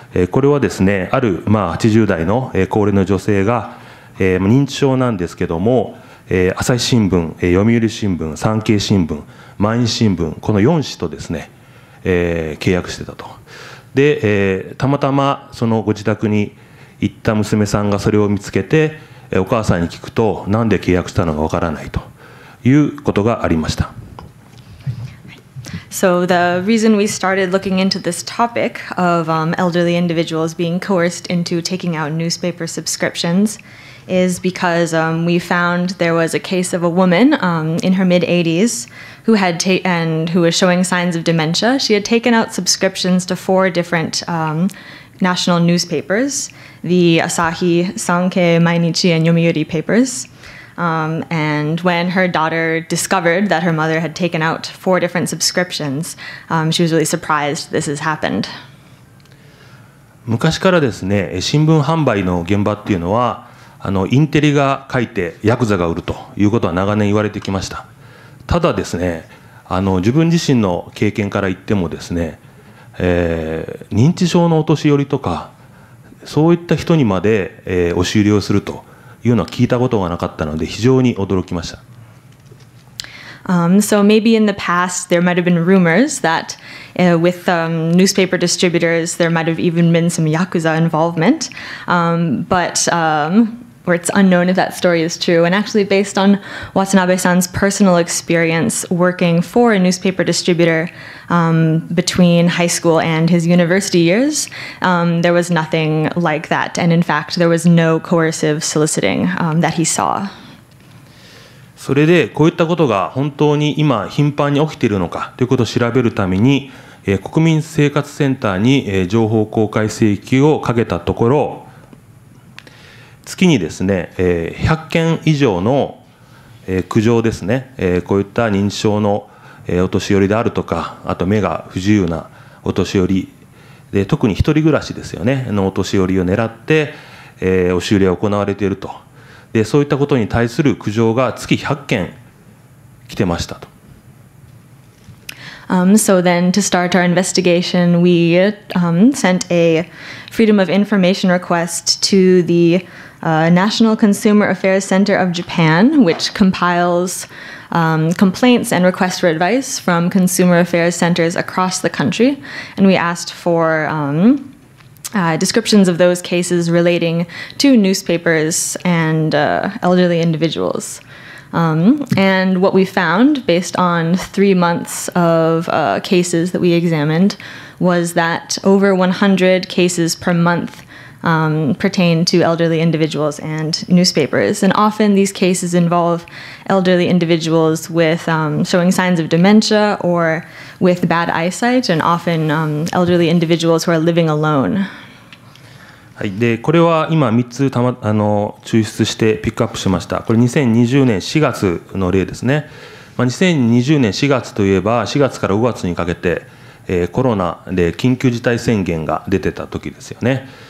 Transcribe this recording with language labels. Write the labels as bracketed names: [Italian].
[Japanese] これはですね、ある、80代の、高齢の女性が、認知症なんですけども、朝日新聞、読売新聞、産経新聞、毎日新聞、この4紙とですね、契約してたと。で、たまたまそのご自宅に行った娘さんがそれを見つけて、お母さんに聞くと、なんで契約したのかわからないということがありました。 [English] So the reason we started looking into this topic of elderly individuals being coerced into taking out newspaper subscriptions is because we found there was a case of a woman in her mid-80s who had who was showing signs of dementia. She had taken out subscriptions to 4 different national newspapers, the Asahi, Sankei, Mainichi, and Yomiuri papers. And when her daughter discovered that her mother had taken out 4 different subscriptions, she was really surprised this has happened. [Japanese] 昔からですね、新聞販売の現場っていうのは、インテリが書いてヤクザが売るということは長年言われてきました。ただですね、自分自身の経験から言ってもですね、認知症のお年寄りとか、そういった人にまで、押し売りをするというのは聞いたことがなかったので非常に驚きました。 [English] So maybe in the past there might have been rumors that with newspaper distributors there might have even been some yakuza involvement, but or it's unknown if that story is true. And actually, based on Watanabe-san's personal experience working for a newspaper distributor between high school and his university years, there was nothing like that. And in fact, there was no coercive soliciting that he saw. [Japanese] それでこういったことが本当に今頻繁に起きているのかということを調べるために、国民生活センターに、情報公開請求をかけたところ、月にですね、100件以上の、苦情ですね、こういった認知症の、お年寄りであるとか、あと目が不自由なお年寄りで、特に一人暮らしですよね、のお年寄りを狙って、押し売りが行われていると。でそういったことに対する苦情が月100件来てましたと。 [English] So then to start our investigation, we sent a Freedom of Information request to the National Consumer Affairs Center of Japan, which compiles complaints and requests for advice from consumer affairs centers across the country. And we asked for descriptions of those cases relating to newspapers and elderly individuals. And what we found, based on 3 months of cases that we examined, was that over 100 cases per month pertain to elderly individuals and newspapers. And often these cases involve elderly individuals with showing signs of dementia or with bad eyesight, and often elderly individuals who are living alone. [Japanese] はい、でこれは今3つた、ま、抽出してピックアップしました。これ2020年4月の例ですね、まあ、2020年4月といえば4月から5月にかけて、コロナで緊急事態宣言が出てた時ですよね。